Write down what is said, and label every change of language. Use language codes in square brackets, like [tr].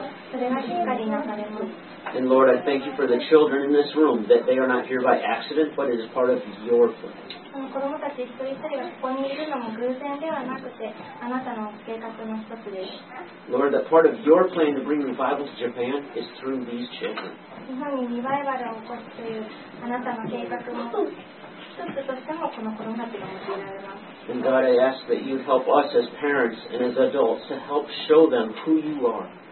[en] And Lord, I thank you for the children in this room that they are not here by accident, but it is part of your plan. [ja] 子供たち一人一人がここにいるのも偶然ではなくて、あなたの計画の一つです。 [en] Lord, the part of your plan to bring revival to Japan is through these children. [ja] 日本にリバイバルを起こすというあなたの計画の一つとしてもこの子供たちが用いられます。 [en] And God, I ask that you help us as parents and as adults to help show them who you are.